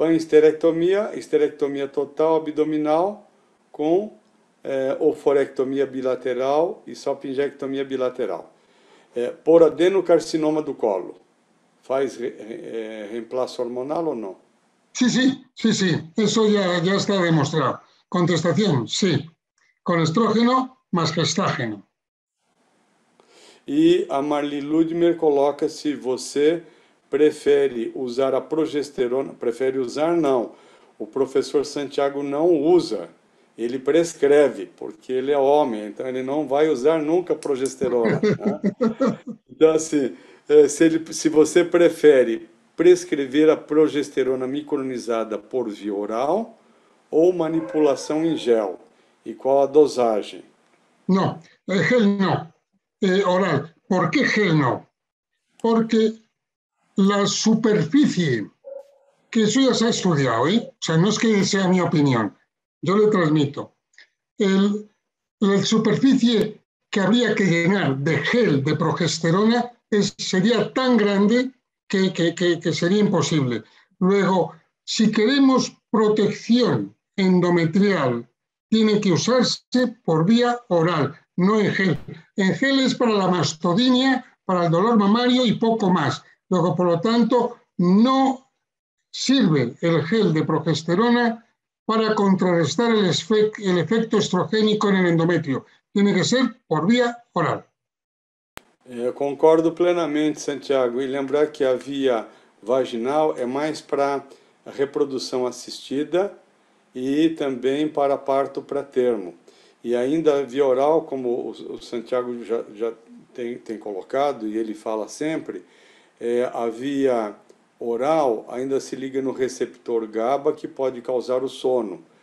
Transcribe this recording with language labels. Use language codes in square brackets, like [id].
[pt] Panesterectomia total abdominal com oforectomia bilateral e salpingectomia bilateral. Por adenocarcinoma do colo, faz reemplazo hormonal ou não? Sim. Isso já está demonstrado. Contestação, sim. Com estrógeno, mas com estrógeno. E a Marli Ludmer coloca se você prefere usar a progesterona, prefere usar não. O professor Santiago não usa. Ele prescreve, porque ele é homem, então ele não vai usar nunca progesterona. Né? Então, assim, se você prefere prescrever a progesterona micronizada por via oral ou manipulação em gel, e qual a dosagem? Não, gel não. Oral. Por que gel não? Porque a superfície, que isso já se ha estudiado, ¿eh? O sea, não é que seja a minha opinião. [es] Yo le transmito, la superficie que habría que llenar de gel, de progesterona, sería tan grande que sería imposible. Luego, si queremos protección endometrial, tiene que usarse por vía oral, no en gel. En gel es para la mastodinia, para el dolor mamario y poco más. Luego, por lo tanto, no sirve el gel de progesterona para contrarrestar el efecto estrogénico en el endometrio. Tiene que ser por vía oral. [pt] Eu concordo plenamente, Santiago. E lembrar que a via vaginal é mais para reprodução assistida e também para parto pré-termo. E ainda a via oral, como o Santiago já tem colocado e ele fala sempre, a via oral ainda se liga no receptor GABA, que pode causar o sono.